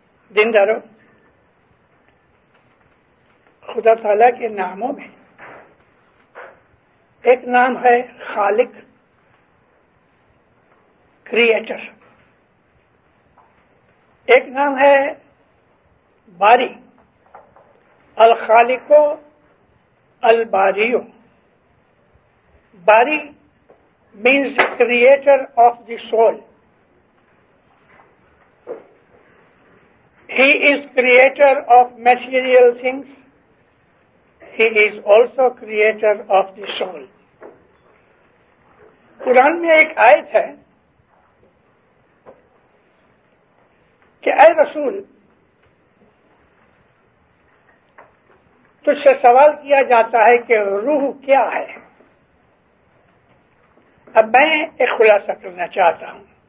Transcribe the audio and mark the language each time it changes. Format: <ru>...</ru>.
<ur>دیندارو، خدا تعالی کے ناموں میں ایک نام ہے خالق، کریئٹر، ایک نام ہے باری، الخالقو الباریو.</ur> <en>باری means creator of the soul. He is creator of material things. He is also creator of the soul.</en> <ur>قرآن میں ایک آیت ہے کہ اے رسول، تجھ سے سوال کیا جاتا ہے کہ روح کیا ہے؟ اب میں ایک خلاصہ کرنا چاہتا ہوں.</ur>